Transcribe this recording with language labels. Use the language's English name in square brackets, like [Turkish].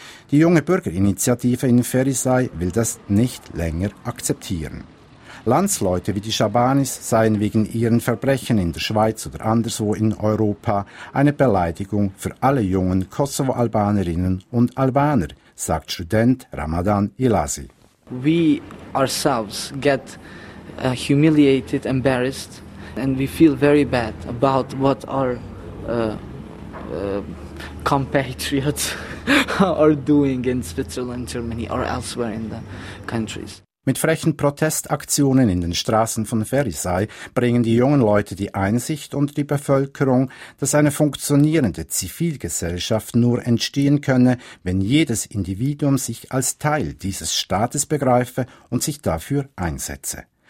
[German] Die junge Bürgerinitiative in Ferizaj will das nicht länger akzeptieren. Landsleute wie die Shabanis seien wegen ihren Verbrechen in der Schweiz oder anderswo in Europa eine Beleidigung für alle jungen Kosovo-Albanerinnen und Albaner, sagt Student Ramadan Ilasi. [English] We ourselves get humiliated, embarrassed, and we feel very bad about what our compatriots are doing in Switzerland, Germany or elsewhere in the countries. [German] Mit frechen Protestaktionen in den Straßen von Ferizaj bringen die jungen Leute die Einsicht unter die Bevölkerung, dass eine funktionierende Zivilgesellschaft nur entstehen könne, wenn jedes Individuum sich als Teil dieses Staates begreife und sich dafür einsetze.